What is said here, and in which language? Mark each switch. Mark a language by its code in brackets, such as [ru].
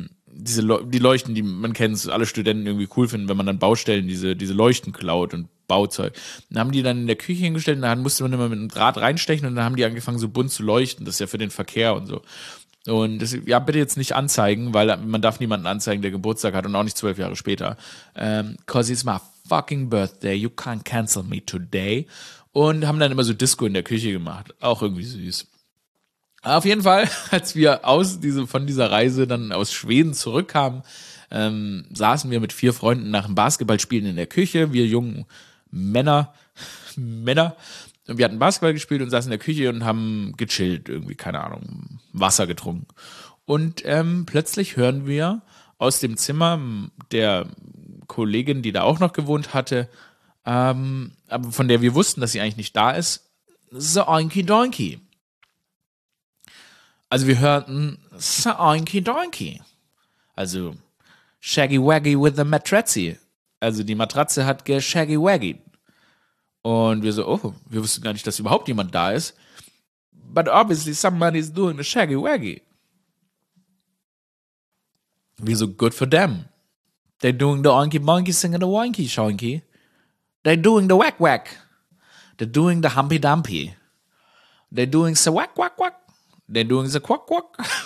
[de] Die Leuchten, die man kennt, alle Studenten irgendwie cool finden, wenn man dann Baustellen diese Leuchten klaut und Bauzeug. Dann haben die dann in der Küche hingestellt und dann musste man immer mit einem Draht reinstechen und dann haben die angefangen, so bunt zu leuchten. Das ist ja für den Verkehr und so. Und das, ja, bitte jetzt nicht anzeigen, weil man darf niemanden anzeigen, der Geburtstag hat und auch nicht 12 Jahre später. [en] 'Cause it's my fucking birthday, you can't cancel me today. [de] Und haben dann immer so Disco in der Küche gemacht. Auch irgendwie süß. Auf jeden Fall, als wir von dieser Reise dann aus Schweden zurückkamen, saßen wir mit 4 Freunden nach dem Basketballspielen in der Küche. Wir jungen Männer. Und wir hatten Basketball gespielt und saßen in der Küche und haben gechillt, irgendwie, keine Ahnung, Wasser getrunken. Und plötzlich hören wir aus dem Zimmer der Kollegin, die da auch noch gewohnt hatte, von der wir wussten, dass sie eigentlich nicht da ist, so oinky donkey. Also wir hörten so oinky donkey, also [en] shaggy waggy with the matrazzi. [de] Also die Matratze hat geshaggy waggy. Und wir so, oh, wir wussten gar nicht, dass überhaupt jemand da ist. [en] But obviously somebody's doing a shaggy waggy. [de] Wir so, [en] good for them. They're doing the oinky monkey singing the wanky shonky. They're doing the wack wack. They're doing the humpy dumpy. They're doing so wack wack wack. They're doing the quack quack.